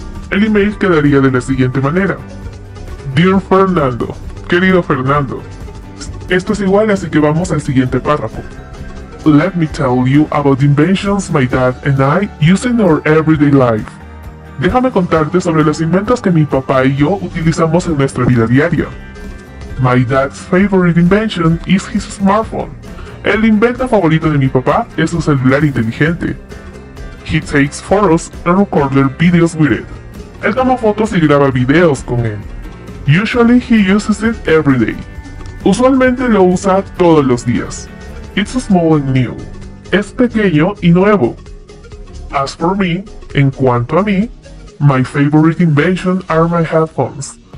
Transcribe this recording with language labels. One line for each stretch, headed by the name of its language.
Spanish: El email quedaría de la siguiente manera.
English: Dear Fernando,
Spanish: querido Fernando. Esto es igual, así que vamos al siguiente párrafo.
English: Let me tell you about the inventions my dad and I use in our everyday life.
Spanish: Déjame contarte sobre los inventos que mi papá y yo utilizamos en nuestra vida diaria.
English: My dad's favorite invention is his smartphone.
Spanish: El invento favorito de mi papá es su celular inteligente.
English: He takes photos and records videos with it.
Spanish: Él toma fotos y graba videos con él.
English: Usually he uses it every day.
Spanish: Usualmente lo usa todos los días.
English: It's small and new.
Spanish: Es pequeño y nuevo.
English: As for me,
Spanish: en cuanto a mí,
English: my favorite invention are my headphones.